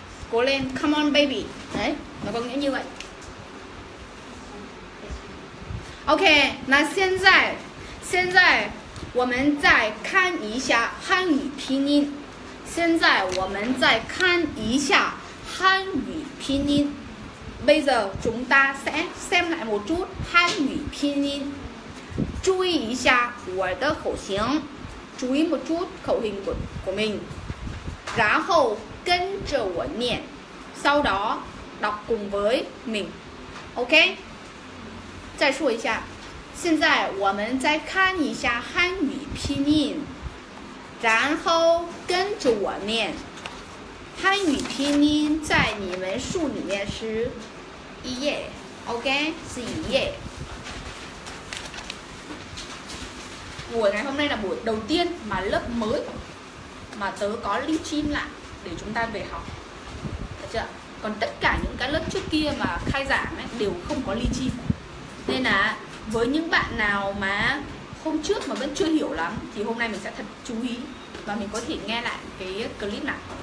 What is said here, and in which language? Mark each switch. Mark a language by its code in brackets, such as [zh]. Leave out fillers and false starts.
[zh] 果然 ， [en] Come on baby， [zh] 哎，老公，你以为？ OK， 那现在我们再看一下汉语拼音。现在我们再看一下汉语拼音。 [vi] bây giờ chúng ta sẽ xem lại một chút 汉语拼音。 [zh] 注意一下我的口型，注意 [vi] một chút khẩu hình của mình。 [zh] 然后跟着我念， [vi] sau đó đọc cùng với mình。 [en] OK。 [zh] 再说一下，现在我们再看一下汉语拼音，然后跟着我念。汉语拼音在你们书里面是一页 ，OK， 是一页。我呢 [vi] hôm nay là buổi đầu tiên mà lớp mới mà tớ có link chim lại để chúng ta về học, được chưa? Còn tất cả những cái lớp trước kia mà khai giảng ấy đều không có link chim. Nên là với những bạn nào mà hôm trước mà vẫn chưa hiểu lắm thì hôm nay mình sẽ thật chú ý và mình có thể nghe lại cái clip này.